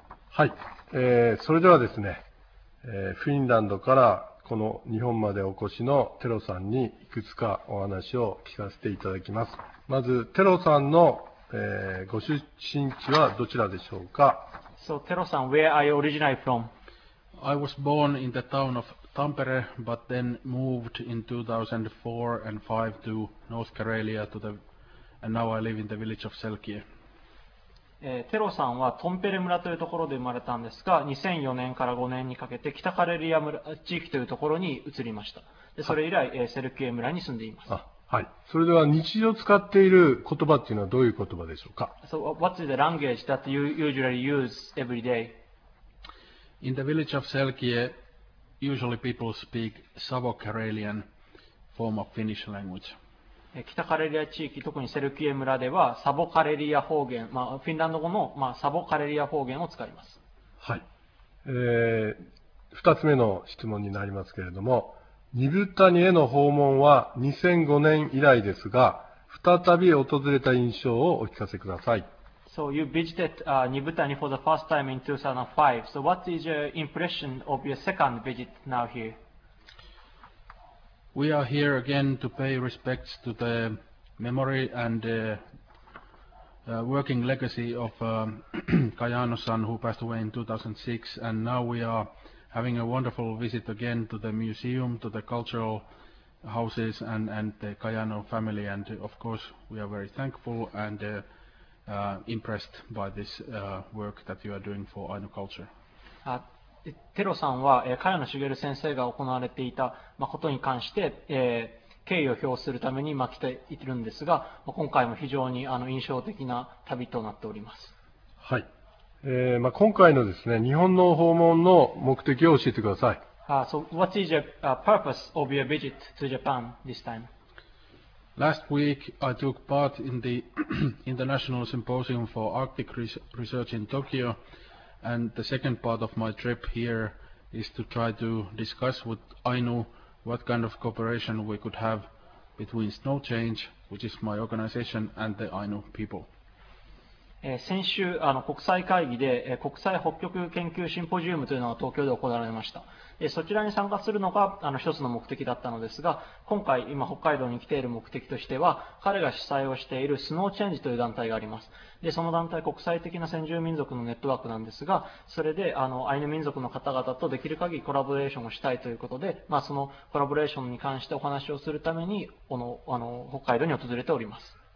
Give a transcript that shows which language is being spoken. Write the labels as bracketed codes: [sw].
[ja] はい、それではですね、フィンランドからこの日本までお越しのテロさんにいくつかお話を聞かせていただきます。まず、テロさんのご出身地はどちらでしょうか。 [en] So, Tero-san, where are you originally from? I was born in the town of Tampere, but then moved in 2004 and 5 to North Karelia, and now I live in the village of Selkie. [ja] Tero-san はトンペレ村というところで生まれたんですが、2004年から5年にかけて北カレリア村地域というところに移りました。で、それ以来、セルキエ村に住んでいます。はい、それでは日常使っている言葉っていうのはどういう言葉でしょうか。 [en] So what's the language that you usually use every day? In the village of Selkie, usually people speak Savo-Karelian form of Finnish language. [ja] 北カレリア地域、特にセルキエ村ではサボカレリア方言、まあ、フィンランド語の、まあ、サボカレリア方言を使います。はい、2つ目の質問になりますけれども、ニブタニへの訪問は2005年以来ですが、再び訪れた印象をお聞かせください。 [en] So you visited Nibutani for the first time in 2005. So what is your impression of your second visit now here? We are here again to pay respects to the memory and working legacy of Kayano-san who passed away in 2006, and now we are having a wonderful visit again to the museum, to the cultural houses and the Kayano family, and of course we are very thankful and impressed by this work that you are doing for Ainu culture. [ja] テロさんは茅野茂先生が行われていたことに関して敬意を表するために来ているんですが、今回も非常に印象的な旅となっております。はい、今回のですね、日本の訪問の目的を教えてください。 [en] So what is the purpose of your visit to Japan this time? Last week I took part in the International Symposium for Arctic Research in Tokyo, and the second part of my trip here is to try to discuss with Ainu what kind of cooperation we could have between Snow Change, which is my organization, and the Ainu people. [ja] 先週国際会議で国際北極研究シンポジウムというのが東京で行われました。そちらに参加するのが一つの目的だったのですが、今回今北海道に来ている目的としては、彼が主催をしているスノーチェンジという団体があります。でその団体、国際的な先住民族のネットワークなんですが、それでアイヌ民族の方々とできる限りコラボレーションをしたいということで、まあ、そのコラボレーションに関してお話をするために、北海道に訪れております。